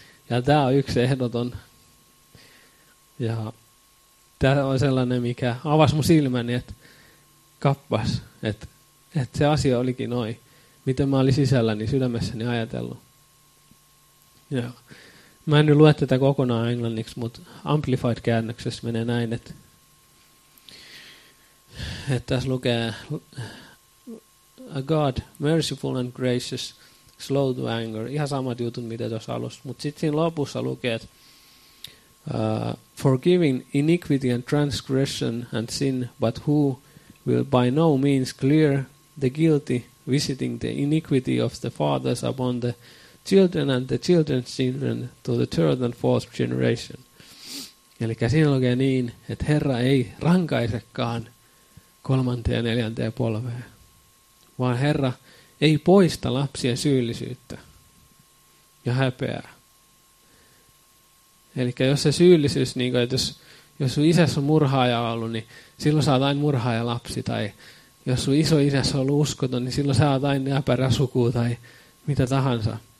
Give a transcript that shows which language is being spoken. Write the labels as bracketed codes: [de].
[fi] Ja tämä on yksi ehdoton. Ja tämä on sellainen, mikä avasi mun silmäni, että kappas, että se asia olikin noin, miten mä olin sisälläni, sydämessäni ajatellut. Ja mä en nyt lue tätä kokonaan englanniksi, mutta Amplified-käännöksessä menee näin, että tässä lukee [en] A God, merciful and gracious, slow to anger. [fi] Ihan samat jutut, mitä tuossa alussa. Mutta sitten siinä lopussa lukee, [en] forgiving iniquity and transgression and sin, but who will by no means clear the guilty, visiting the iniquity of the fathers upon the children and the children's children to the third and fourth generation. [fi] Eli siinä lukee niin, että Herra ei rankaisekaan kolmanteen ja neljänteen polveen, vaan Herra ei poista lapsien syyllisyyttä ja häpeää. Eli jos se syyllisyys, niin kuin, että jos sun isässä on murhaaja ollut, niin silloin sä oot aina murhaaja lapsi tai jos sun iso isässä on ollut uskoton, niin silloin sä oot aina äpärä sukua tai mitä tahansa.